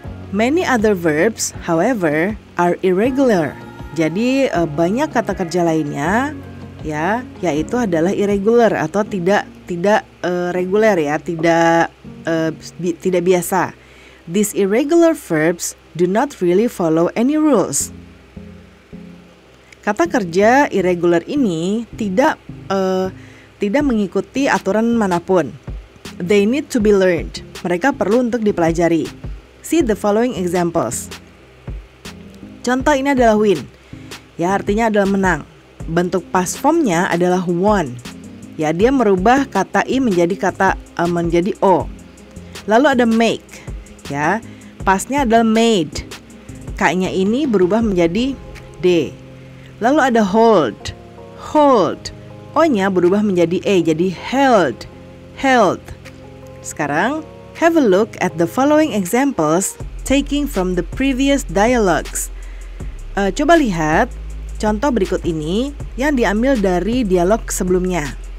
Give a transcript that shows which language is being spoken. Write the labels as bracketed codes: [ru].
[en] Many other verbs, however, are irregular. [id] Jadi banyak kata kerja lainnya, ya, yaitu adalah irregular atau tidak reguler ya, tidak biasa. [en] These irregular verbs do not really follow any rules. [id] Kata kerja irregular ini tidak mengikuti aturan manapun. [en] They need to be learned. [id] Mereka perlu untuk dipelajari. [en] See the following examples. [id] Contoh ini adalah [en] win. [id] Ya, artinya adalah menang. Bentuk past formnya adalah won. Ya, dia merubah kata i menjadi menjadi o. Lalu ada make. Ya, pastnya adalah made. K-nya ini berubah menjadi d. Lalu ada hold. Hold. O-nya berubah menjadi e, jadi held. Held. Sekarang, [en] have a look at the following examples taking from the previous dialogues. [id] Coba lihat contoh berikut ini yang diambil dari dialog sebelumnya.